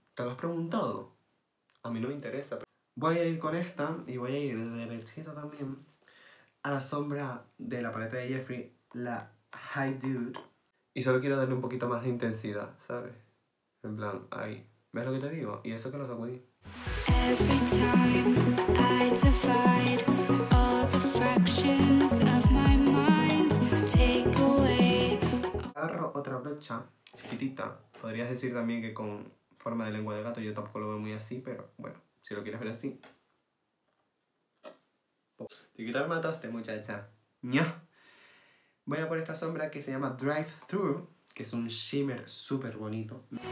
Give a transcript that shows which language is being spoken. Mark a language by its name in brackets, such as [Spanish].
[Spanish] ¿Te lo has preguntado? A mí no me interesa. Voy a ir con esta y voy a ir derechita también a la sombra de la paleta de Jeffrey, la Hi Dude. Y solo quiero darle un poquito más de intensidad, ¿sabes? En plan, ahí. ¿Ves lo que te digo? Y eso que lo sacudí. [English] Every time I divide all the fractions of my mind, take away. [Spanish] Agarro otra brocha, chiquitita. Podrías decir también que con forma de lengua de gato, yo tampoco lo veo muy así, pero bueno, si lo quieres ver así. Chiquita, me mataste, muchacha. ¡Nya! Voy a por esta sombra que se llama Drive Through, que es un shimmer súper bonito.